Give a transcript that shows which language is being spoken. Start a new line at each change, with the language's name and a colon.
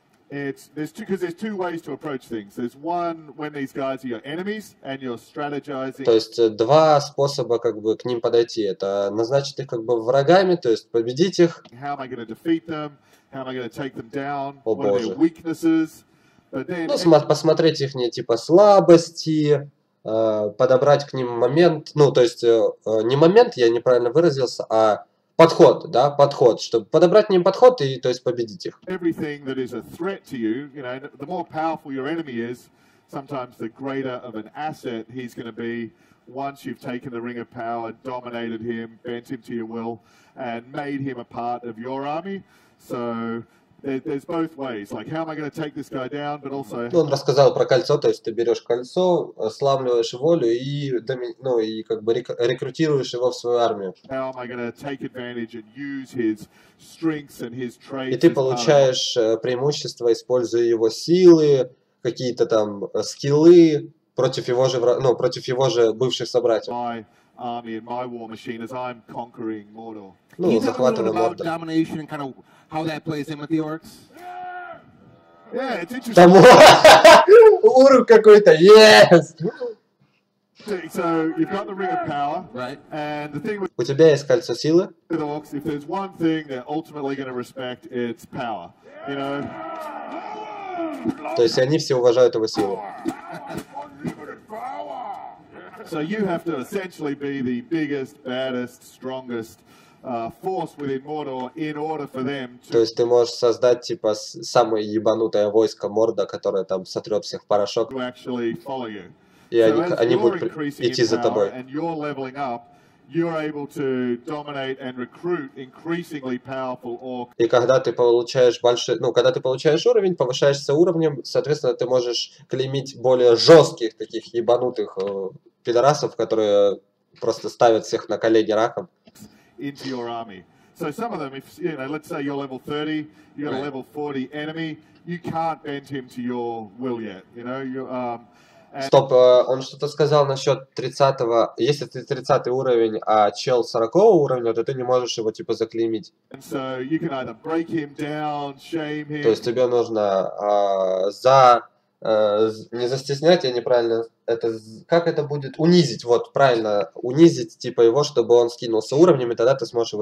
English: It's because there's two ways to approach things. There's one when these guys are your enemies and you're strategizing.
Russian: То есть два способа как бы к ним подойти. Это назначить их как бы врагами, то есть победить их.
English: How am I going to defeat them? How am I going to take them down? О, what are their weaknesses? Then...
Russian: Ну, посмотреть их не типа слабости, подобрать к ним момент. Ну, то есть не момент, я неправильно выразился, а подход, да, подход, чтобы подобрать к ним подход и, то есть, победить их.
English: Everything that is a threat to you, you know, the more powerful your enemy is, sometimes the greater of an asset he's going to be once you've taken the ring of power, dominated him, bent him to your will, and made him a part of your army. So there's both ways. Like, how am I going to take this guy down, but also...
Russian: Ну, он рассказал про кольцо, то есть, ты берешь кольцо, славливаешь волю и, ну, и как бы рекрутируешь его в свою армию.
English: How am I going to take advantage and use his strengths and his traits?
Russian: И ты получаешь преимущество, используя его силы, какие-то там скиллы против его же, ну, против его же бывших собратьев.
English: My army and my war machine as I'm conquering Mordor.
Russian: Ну, захватывая Мордор.
English: How that plays in with the orcs? Yeah, it's interesting.
Russian: Урук какой-то.
English: Yes. So you've got the ring of power, right? And the thing with
Russian: у тебя есть кольцо силы?
English: The orcs, if there's one thing they're ultimately going to respect, it's power. You know.
Russian: То есть они все уважают его силу.
English: So you have to essentially be the biggest, baddest, strongest. Force within Mordor in order for them to...
Russian: То есть ты можешь создать типа самое ебанутое войско Морда, которое там сотрет всех порошок.
English: To actually follow you.
Russian: И so они будут идти за тобой.
English: And you're leveling up, you're able to dominate and recruit increasingly powerful orcs.
Russian: И когда ты получаешь больше, ну когда ты получаешь уровень, повышаешься уровнем, соответственно ты можешь клеймить более жестких таких ебанутых пидорасов, которые просто ставят всех на колени раком.
English: Into your army. So some of them, if you know, let's say you're level 30, you got a level 40 enemy, you can't bend him to your will yet. You know, you
Russian: Стоп, он что-то сказал насчет 30-го. Если ты 30-й уровень, а чел 40-го уровня, то ты не можешь его типа заклеймить.
English: So you can either break him down, shame him.
Russian: То есть тебе нужно не застеснять, я неправильно это... Как это будет? Унизить, вот, правильно. Унизить, типа, его, чтобы он скинулся уровнем, и тогда ты сможешь его